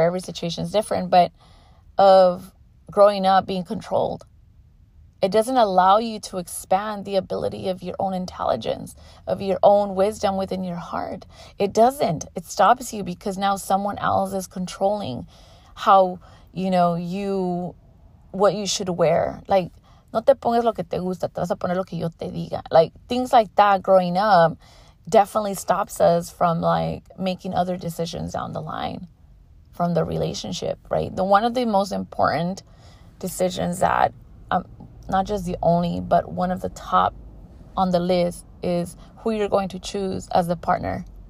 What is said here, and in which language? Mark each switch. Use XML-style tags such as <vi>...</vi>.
<en>Every situation is different. But of growing up being controlled. It doesn't allow you to expand the ability of your own intelligence, of your own wisdom within your heart. It doesn't. It stops you because now someone else is controlling how, you know, you, what you should wear.</en> <es>Like, no te pongas lo que te gusta, te vas a poner lo que yo te diga.</es> <en>Like, things like that growing up definitely stops us from, like, making other decisions down the line from the relationship, right? The one of the most important decisions that not just the only, but one of the top on the list is who you're going to choose as the partner.</en>